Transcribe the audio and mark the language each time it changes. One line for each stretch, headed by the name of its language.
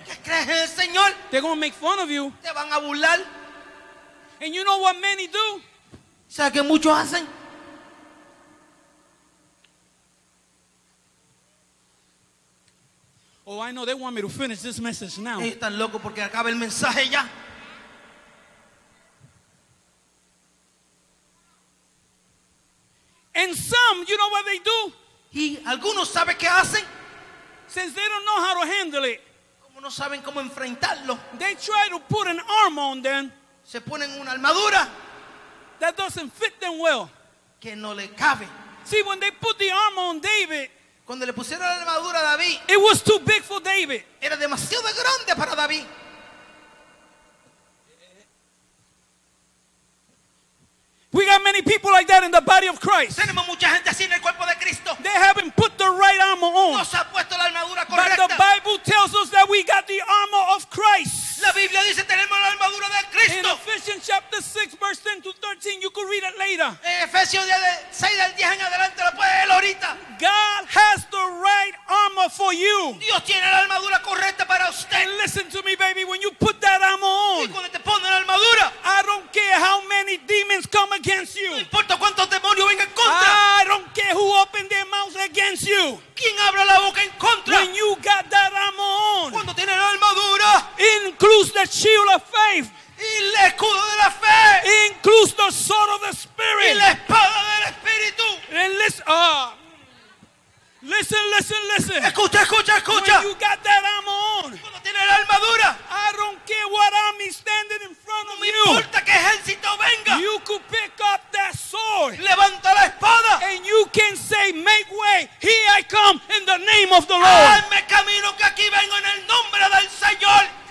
Spanish: Que crees en el Señor.
English: They're going to make fun of you.
Spanish: Te van a burlar.
English: And you know what many do?
Spanish: ¿Sabe que muchos hacen?
English: Oh, I know they want me to finish this message now.
Spanish: Ellos están locos porque acabe el mensaje ya.
English: And some, you know what they do?
Spanish: Y algunos saben qué hacen.
English: Since they don't know how to handle it.
Spanish: Como no saben cómo enfrentarlo.
English: They try to put an arm on them.
Spanish: Se ponen una armadura.
English: That doesn't fit them well.
Spanish: Que no le cabe.
English: See, when they put the arm on David.
Spanish: Cuando le pusieron la armadura a David.
English: It was too big for David.
Spanish: Era demasiado grande para David.
English: We got many people like that in the body of Christ.
Spanish: Tenemos mucha gente así en el cuerpo de Cristo.
English: They haven't put the right armor on.
Spanish: No se ha puesto la armadura correcta.
English: But the Bible tells us that we got the armor of Christ.
Spanish: La Biblia dice tenemos la armadura de Cristo.
English: In Ephesians chapter 6, verse 10 to 13, you can read it later.
Spanish: En Efesios 6 del 10 en adelante lo puedes leer ahorita.
English: God has the right armor for you.
Spanish: Dios tiene la armadura correcta para usted.
English: And listen to me, baby, when you put that armor on.
Spanish: Y cuando te pones la armadura.
English: I don't care how many demons come against you.
Spanish: No importa cuántos demonios vengan contra.
English: I don't care who opened their mouth against you.
Spanish: ¿Quién abre la boca en contra?
English: When you got that armor on.
Spanish: Cuando tiene la armadura.
English: Includes the shield of faith.
Spanish: Y el escudo de la fe.
English: Includes the sword of the spirit.
Spanish: Y la espada del espíritu.
English: And listen.
Spanish: Escucha.
English: When you got that armor on.
Spanish: Cuando tiene la armadura.
English: I don't care what army standing in front of
Spanish: no
English: you.
Spanish: No importa qué ejército venga.
English: You could pick up that sword.
Spanish: Levanta la espada.
English: And you can say, make way. Here I come in the name of the Lord.
Spanish: Hazme camino que aquí vengo en el nombre del Señor.